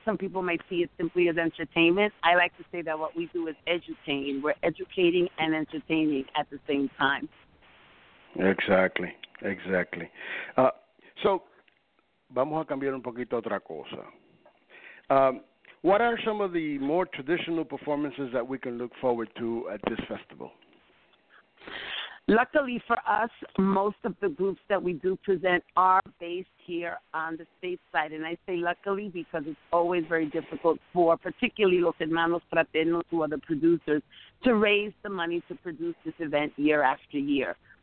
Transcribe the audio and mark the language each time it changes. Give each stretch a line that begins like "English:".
English: Some people might see it simply as entertainment. I like to say that what we do is educating. We're educating and entertaining at the same time. Exactly, exactly.
Spanish: So vamos a cambiar un poquito otra cosa.
English: What are some of the more traditional performances that we can look forward to at this festival? Luckily for us, most of the groups that we do present are based here on the stateside. And I say luckily because it's always very difficult for particularly Los Hermanos Fraternos, who are the producers, to raise the money to produce this event year after year.